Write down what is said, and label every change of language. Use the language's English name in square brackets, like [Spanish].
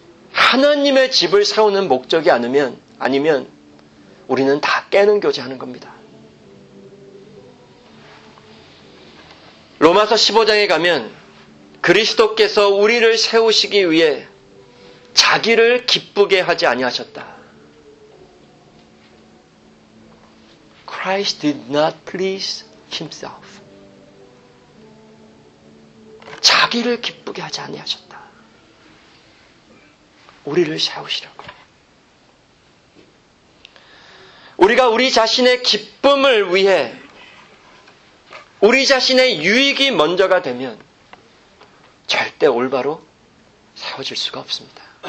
[Korean] 하나님의 집을 세우는 목적이 아니면 우리는 다 깨는 교제하는 겁니다. 로마서 15장에 가면 그리스도께서 우리를 세우시기 위해 자기를 기쁘게 하지 아니하셨다. [English] Christ did not please himself. [Korean] 자기를 기쁘게 하지 아니하셨다. 우리를 세우시려고. 우리가 우리 자신의 기쁨을 위해 우리 자신의 유익이 먼저가 되면 절대 올바로 세워질 수가 없습니다.